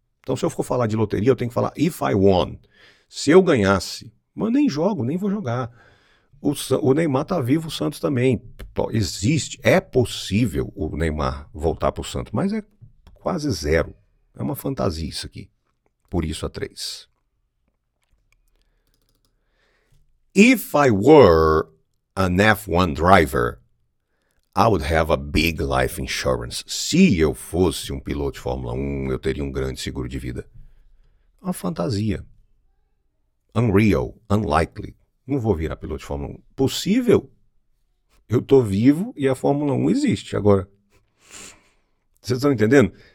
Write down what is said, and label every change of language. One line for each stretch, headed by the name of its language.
Portuguese: Então, se eu for falar de loteria, eu tenho que falar
English: if I won.
Portuguese: Se eu ganhasse, mas nem jogo, nem vou jogar. O Neymar está vivo, o Santos também. Existe, é possível o Neymar voltar para o Santos, mas é quase zero. É uma fantasia isso aqui. Por isso a 3.
English: If I were an F1 driver, I would have a big life insurance.
Portuguese: Se eu fosse um piloto de Fórmula 1, eu teria um grande seguro de vida. Uma fantasia.
English: Unreal, unlikely.
Portuguese: Não vou virar piloto de Fórmula 1. Possível? Eu estou vivo e a Fórmula 1 existe agora. Vocês estão entendendo?